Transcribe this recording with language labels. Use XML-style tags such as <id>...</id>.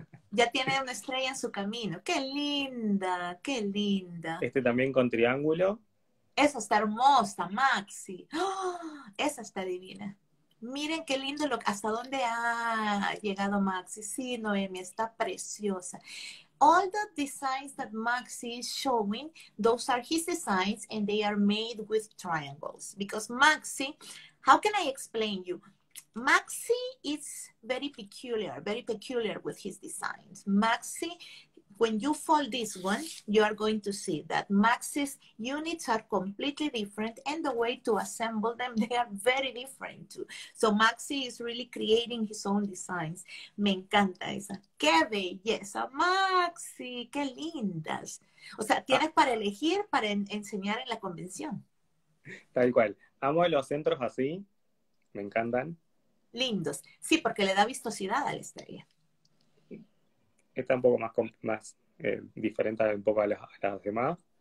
<es>Ya tiene una estrella en su camino. Qué linda, qué linda. Este también con triángulo. Esa está hermosa, Maxi. ¡Oh! Esa está divina. Miren qué lindo lo, hasta dónde ha llegado Maxi. Sí, Noemi, está preciosa.</es> <en>All the designs that Maxi is showing, those are his designs and they are made with triangles. Because Maxi, how can I explain you? Maxi is very peculiar with his designs. Maxi, when you fold this one, you are going to see that Maxi's units are completely different and the way to assemble them, they are very different too. So Maxi is really creating his own designs.</en> <es>Me encanta esa. ¡Qué belleza, Maxi! ¡Qué lindas! O sea, tienes para elegir, para enseñar en la convención. Tal cual. Amo los centros así. Me encantan. Lindos. Sí, porque le da vistosidad a la estrella. Está un poco más diferente un poco a las demás.</es>